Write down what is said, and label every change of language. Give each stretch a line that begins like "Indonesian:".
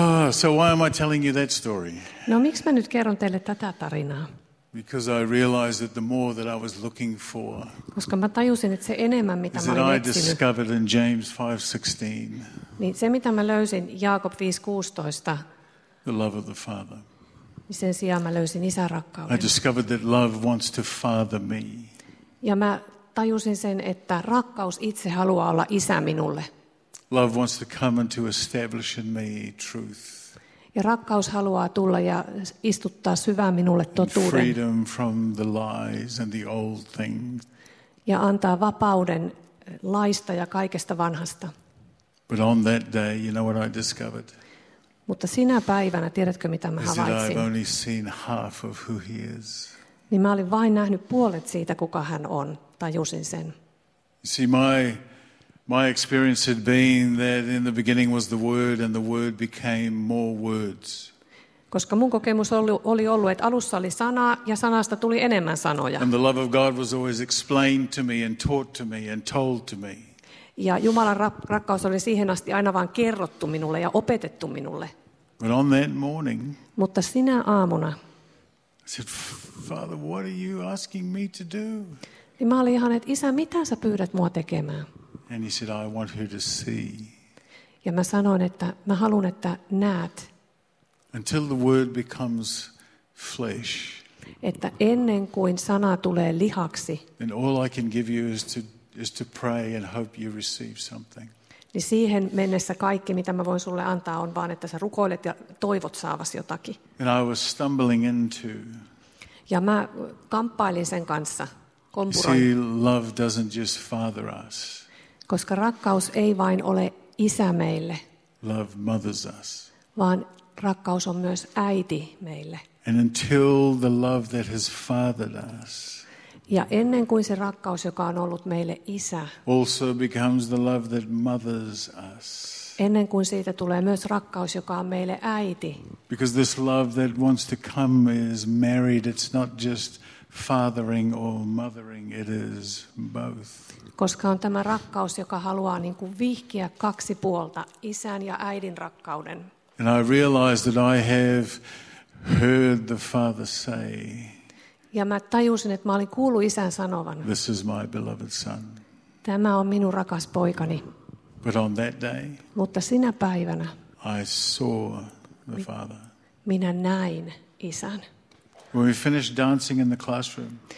English: So why am I telling you that story?
Finnish: No, miksi mä nyt kerron teille tätä tarinaa?
English: Because I realized that the more that I was looking for,
Finnish: koska mä tajusin, että se enemmän mitä mä etsin,
English: I discovered in James 5:16.
Finnish: Niin se mitä mä löysin Jaakob 5:16.
English: The love of the Father.
Finnish: Niin sen sijaan mä löysin isän rakkauden.
English: I discovered that love wants to father me.
Finnish: Ja mä tajusin sen, että rakkaus itse haluaa olla isä minulle.
English: Love wants to come and to establish in me truth.
Finnish: Ja rakkaus haluaa tulla ja istuttaa syvään minulle totuuden.
English: Freedom from the lies and the old things.
Finnish: Ja antaa vapauden laista ja kaikesta vanhasta.
English: But on that day, you know what I discovered?
Finnish: Mutta sinä päivänä, tiedätkö mitä mä havaitsin?
English: That I've only seen half of who he is.
Finnish: Niin mä olin vain nähnyt puolet siitä, kuka hän on. Tajusin sen.
English: See, my experience had been that in the beginning was the word and the word became more words.
Finnish: Koska mun kokemus oli ollut, että alussa oli sana ja sanasta tuli enemmän sanoja.
English: And the love of God was always explained to me and taught to me and told to me.
Finnish: Ja Jumalan rakkaus oli siihen asti aina vaan kerrottu minulle ja opetettu minulle.
English: But on that morning,
Finnish: mutta sinä aamuna,
English: I said, Father, what are you asking me to do?
Finnish: Niin mä olin ihan, että isä, mitä sä pyydät mua tekemään?
English: And he said, I want her to see.
Finnish: Ja mä sanoin, että mä haluan, että näet.
English: Until the word becomes flesh.
Finnish: Että ennen kuin sana tulee lihaksi.
English: And all I can give you is to pray and hope you receive something.
Finnish: Niin siihen mennessä kaikki, mitä mä voin sulle antaa, on vaan, että sä rukoilet ja toivot saavasi jotakin.
English: And I was stumbling into.
Finnish: Ja mä kamppailin sen kanssa.
English: You see, love doesn't just father us.
Finnish: Koska rakkaus ei vain ole isä meille.
English: Love mothers us.
Finnish: Vaan rakkaus on myös äiti meille.
English: And until the love that has fathered us.
Finnish: Ja ennen kuin se rakkaus, joka on ollut meille isä.
English: Also becomes the love that mothers us.
Finnish: Ennen kuin siitä tulee myös rakkaus, joka on meille äiti.
English: Because this love that wants to come is married. It's not just fathering or mothering, it is both.
Finnish: Koska on tämä rakkaus, joka haluaa niin kuin vihkiä kaksi puolta, isän ja äidin rakkauden.
English: And I realized that I have heard the Father say.
Finnish: Ja mä tajusin, että mä olin kuullut isän sanovan.
English: This is my beloved son.
Finnish: Tämä on minun rakas poikani.
English: But on that day.
Finnish: Mutta sinä päivänä.
English: I saw the Father.
Finnish: Minä näin isän.
English: When we finished dancing in the classroom.